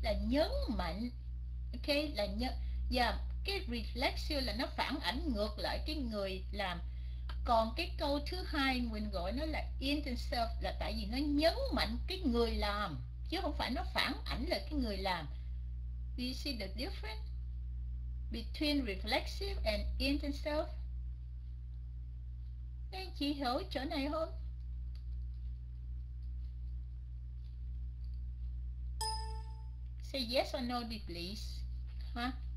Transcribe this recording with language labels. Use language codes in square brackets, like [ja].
[vi] Là nhấn mạnh, ok, là nhấn. Và cái reflexive là nó phản ảnh ngược lại cái người làm. Còn cái câu thứ hai mình gọi nó là intensive là tại vì nó nhấn mạnh cái người làm, chứ không phải nó phản ảnh lại cái người làm. [en] Do you see the difference between reflexive and intensive? [vi] Các chị hiểu chỗ này không? [en] Say yes or no, please. Hả? Huh?